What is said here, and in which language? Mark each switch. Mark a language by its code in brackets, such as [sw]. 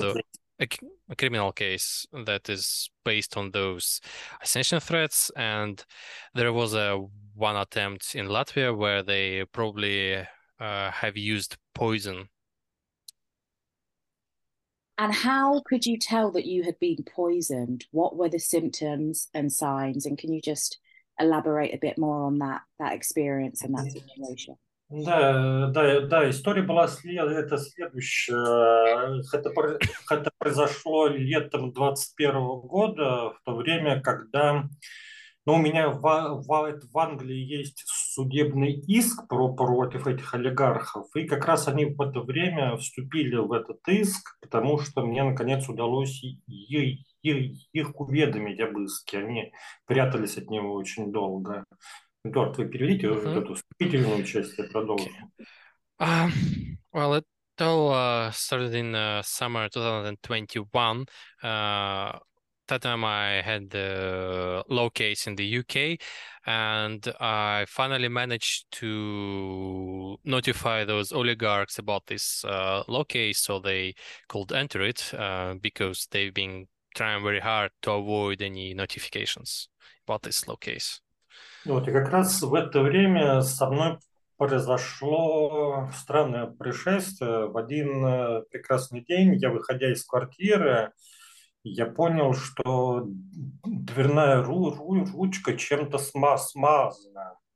[en] the a criminal case that is based on those assassination threats, and there was a one attempt in Latvia where they probably have used poison. And how could you tell that you had been poisoned? What were the symptoms and signs? And can you just elaborate a bit more on that experience and that situation? [ru] Да, история была следующая. Это произошло летом 2021 года, в то время, когда ну, у меня в Англии есть судебный иск против этих олигархов, и как раз они в это время вступили в этот иск, потому что мне наконец удалось их уведомить об иске. Они прятались от него очень долго. Эдуард, вы переведите вот эту вступительную часть, я продолжу. [en] Well, it all started in summer 2021. That time I had the law case in the UK, and I finally managed to notify those oligarchs about this law case so they could enter it because they've been trying very hard to avoid any notifications about this law case. [ru] Вот, и как раз в это время со мной произошло странное происшествие. В один прекрасный день, я выходя из квартиры, я понял, что дверная ручка чем-то смазана.